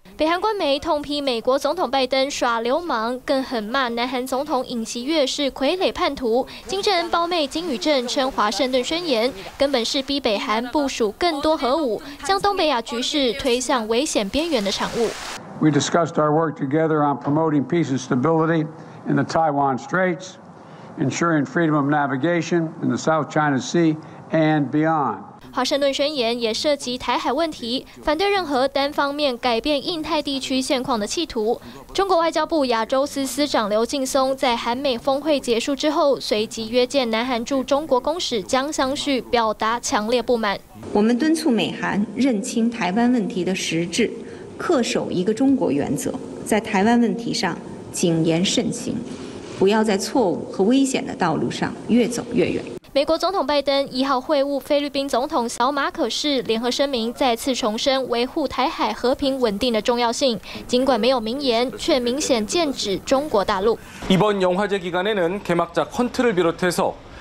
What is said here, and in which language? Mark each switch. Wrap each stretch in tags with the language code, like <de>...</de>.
<zh>北韩官媒痛批美国总统拜登耍流氓，更狠骂南韩总统尹锡悦是傀儡叛徒。金正恩胞妹金宇镇称，华盛顿宣言根本是逼北韩部署更多核武，将东北亚局势推向危险边缘的产物。</zh> <en>We discussed our work together on promoting peace and stability in the Taiwan Straits, ensuring freedom of navigation in the South China Sea and beyond.</en> <zh>华盛顿宣言也涉及台海问题，反对任何单方面改变印太地区现况的企图。中国外交部亚洲司司长刘劲松在韩美峰会结束之后，随即约见南韩驻中国公使姜相旭，表达强烈不满。我们敦促美韩认清台湾问题的实质，恪守一个中国原则，在台湾问题上谨言慎行，不要在错误和危险的道路上越走越远。美国总统拜登1号会晤菲律宾总统小马可士，联合声明再次重申维护台海和平稳定的重要性，尽管没有明言，却明显剑指中国大陆。</zh> <ko>이번영화제기간에는개막작헌트를비롯해서</ko>